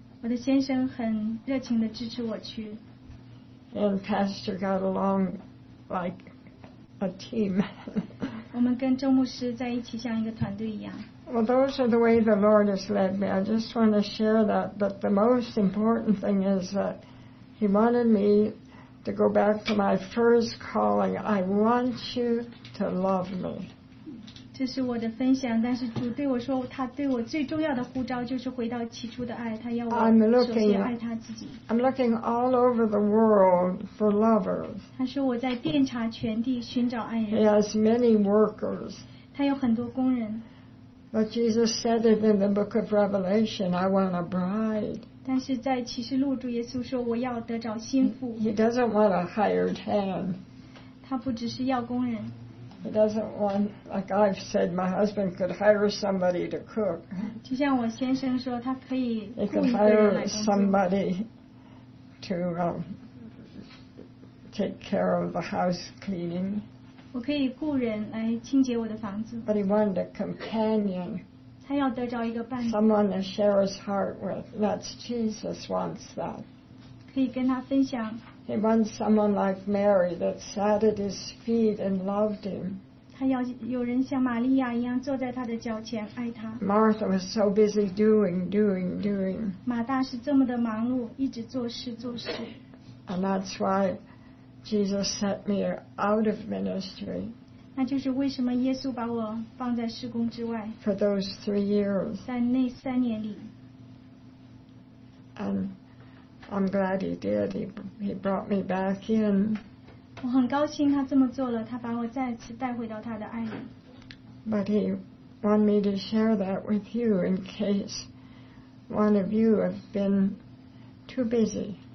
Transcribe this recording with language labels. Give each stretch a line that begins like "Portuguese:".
English: And Pastor got along like a team. Well, those are the way the Lord has led me. I just want to share that. But the most important thing is that He wanted me to go back to my first calling. I want you to love me.
Chinese: 这是我的分享, 但是主对我说, 他对我最重要的呼召就是回到起初的爱, 他要我首先爱他自己。
English: I'm looking all over the world for lovers.
Chinese: 他说我在遍察全地寻找爱人。
English: He has many workers.
Chinese: 他有很多工人。
English: But Jesus said it in the book of Revelation, I want a bride.
Chinese: 但是在启示录, 主耶稣说, 我要得着心腹。
English: He doesn't want a hired hand.
Chinese: 他不只是要工人。
English: He doesn't want, like I've said, my husband could hire somebody to cook.
Chinese: 就像我先生说,
English: he could hire somebody to take care of the house cleaning.
Chinese: 我可以雇人来清洁我的房子。
English: But he wanted a companion.
Chinese: 他要得着一个伴侣。
English: Someone to share his heart with. That's Jesus wants that.
Chinese: 可以跟他分享。
English: He wants someone like Mary that sat at his feet and loved him.
Chinese: 他要有人像玛利亚一样坐在他的脚前爱他。
English: Martha was so busy doing.
Chinese: 马大是这么的忙碌, 一直做事。
English: And that's why Jesus sent me out of ministry.
Chinese: 那就是为什么耶稣把我放在事工之外。
English: For those 3 years.
Chinese: 在那3年里。
English: And I'm glad he did. He brought me back in.
Chinese: 我很高兴他这么做了，他把我再次带回到他的爱里。
English: But he wanted me to share that with you in case one of you have been too busy.